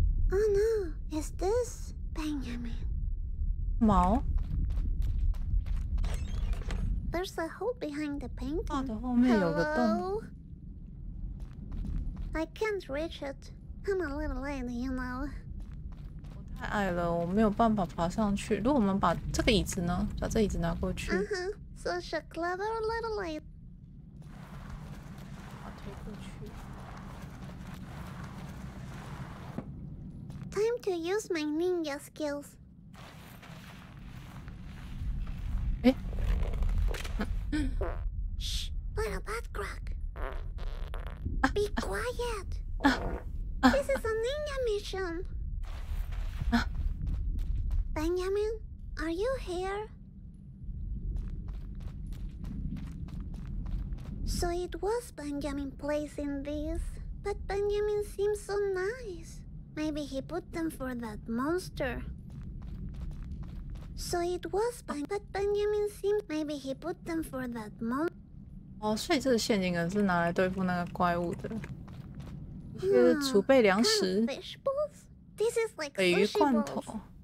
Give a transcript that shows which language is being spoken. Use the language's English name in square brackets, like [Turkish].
[English] Oh no, is this Benjamin? 毛？There's a hole behind the painting. [Chinese] 画的后面有个洞。 [English] Hello? I can't reach it. I'm a little late, you know. [Chinese] 太矮了，我没有办法爬上去。如果我们把这个椅子呢，把这椅子拿过去。 [English] Such a clever little lady。 [Chinese] 把推过去。 [English] Time to use my ninja skills。 [Chinese] 欸？ [English] 嘘，little bad grog。Be quiet。 This is a ninja mission。 Benjamin, are you here? So it was Benjamin placing these, but Benjamin seems so nice. Maybe he put them for that monster. So it was Benjamin, but Benjamin seems maybe he put them for that monster. [Chinese] 哦，所以这个陷阱梗是拿来对付那个怪物的，是储备粮食。 [English] This is like sushi bowls.